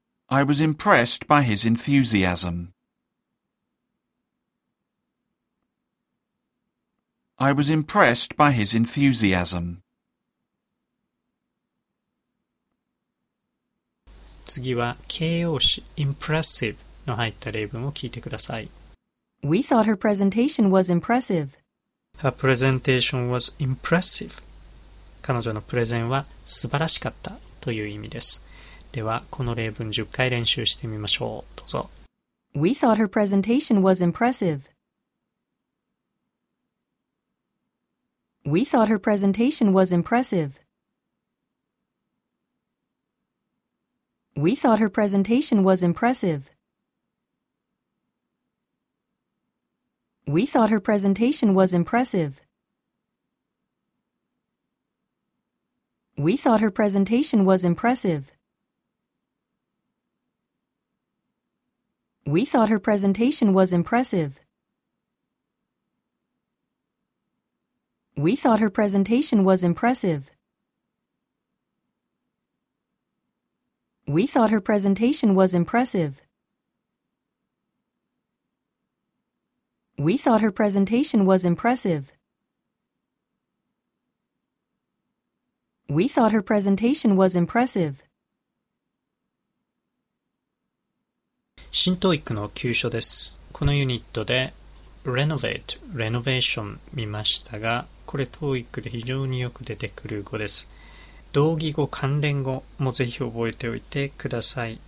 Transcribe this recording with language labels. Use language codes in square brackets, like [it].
[en] I was impressed by his enthusiasm. I was impressed by his enthusiasm. [ja] 次は形容詞 impressive の入った例文を聞いてください。 [en] We thought her presentation was impressive. Her presentation was impressive. [ja] 彼女のプレゼンは素晴らしかったという意味です。では、この例文10回練習してみましょう。どうぞ。 [en] We thought her presentation was impressive. We thought her presentation was impressive. We thought her presentation was impressive. We thought her presentation was impressive. We thought her presentation was impressive. We thought her presentation was impressive. We thought her presentation was impressive. We thought her presentation was impressive. We thought her presentation was impressive. We thought her presentation was impressive. [ja] 新トイックの急所です。このユニットで renovate、renovation 見ましたが、これトイックで非常によく出てくる語です。同義語、関連語もぜひ覚えておいてください。